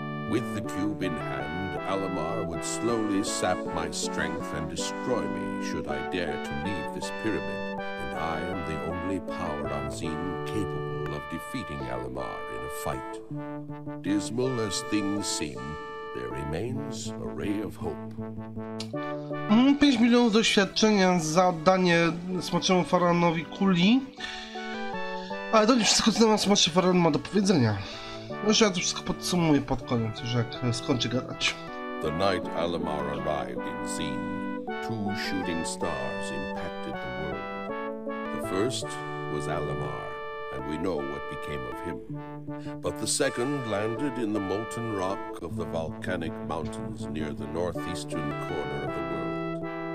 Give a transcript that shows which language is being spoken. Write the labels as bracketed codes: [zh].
[en] With the Cube in hand, Alamar would slowly sap my strength and destroy me should I dare to leave this pyramid, and I am the only power on Zine capable of defeating Alamar in a fight. Dismal as things seem, there remains a ray of hope. [pl] 5 milionów doświadczenia za oddanie Smoczemu Faraonowi kuli. Ale to nie wszystko, co Smoczy Faraon ma do powiedzenia. Może ja to wszystko podsumuję pod koniec, już jak skończę gadać. [en] The night Alamar arrived in Zine, two shooting stars impacted the world. The first was Alamar. We know what became of him. But the second landed in the molten rock of the volcanic mountains near the northeastern corner of the world.